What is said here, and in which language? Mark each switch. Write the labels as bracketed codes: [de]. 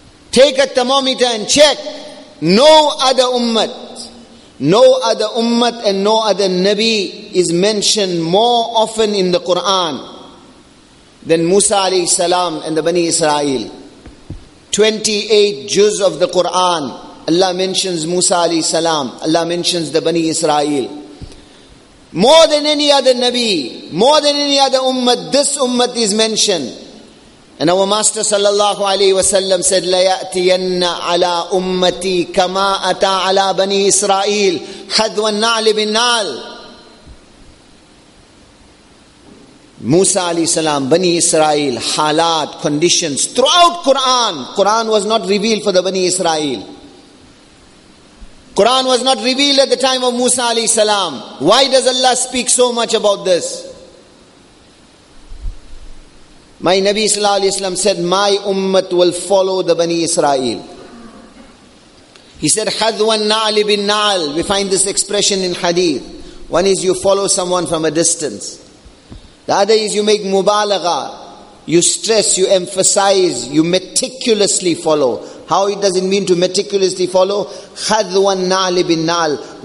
[en] Take a thermometer and check. No other ummat and no other Nabi is mentioned more often in the Quran than Musa alayhi salam and the Bani Israel. 28 juz of the Quran, Allah mentions Musa alayhi salam, Allah mentions the Bani Israel. More than any other Nabi, more than any other ummat, this ummat is mentioned. And our Master sallallahu alayhi wa sallam said, [ar] لَيَأْتِيَنَّ عَلَىٰ أُمَّتِي كَمَا أَتَىٰ عَلَىٰ بَنِي إِسْرَائِيلِ حَذْوَ النَّعْلِ بِالنَّعْلِ. [en] Musa alayhi salam, Bani Israel, halat, conditions, throughout Quran was not revealed for the Bani Israel. Quran was not revealed at the time of Musa alayhi salam. Why does Allah speak so much about this? My Nabi sallallahu alayhi wa sallam said, my ummat will follow the Bani Israel. He said, [ar] حَذْوَ النَّعْلِ بِالنَّعْلِ. [en] We find this expression in hadith. One is you follow someone from a distance. The other is you make mubalagha. You stress, you emphasize, you meticulously follow. How does it mean to meticulously follow? [ar] حَذْوَ النَّعْلِ بِالنَّعْلِ.